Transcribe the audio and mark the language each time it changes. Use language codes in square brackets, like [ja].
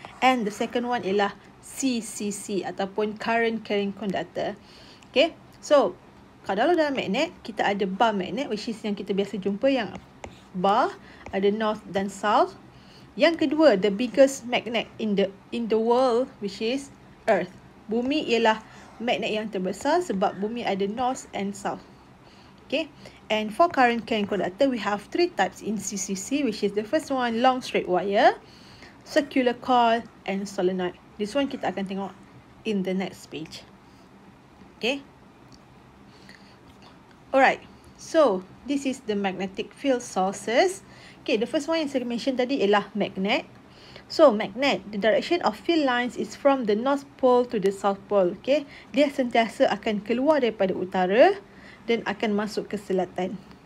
[en] And the second one ialah CCC ataupun current carrying conductor. [ms] Okay, so kalau dalam magnet, kita ada bar magnet, [en] which is [ms] yang kita biasa jumpa yang bar, ada north dan south. Yang kedua, [en] the biggest magnet in the world, which is earth. [ms] Bumi ialah magnet yang terbesar sebab bumi ada north and south. [en] Okay, and for current carrying conductor, we have three types in CCC, which is the first one, long straight wire, circular coil and solenoid. This one [ms] kita akan tengok [en] in the next page. Okay. Alright. So, this is the magnetic field sources. Okay, the first one [ms] yang saya mention tadi ialah [en] magnet. So magnet, the direction of field lines is from the north pole to the south pole. [ms] Okay, dia sentiasa akan keluar daripada utara dan akan masuk ke selatan.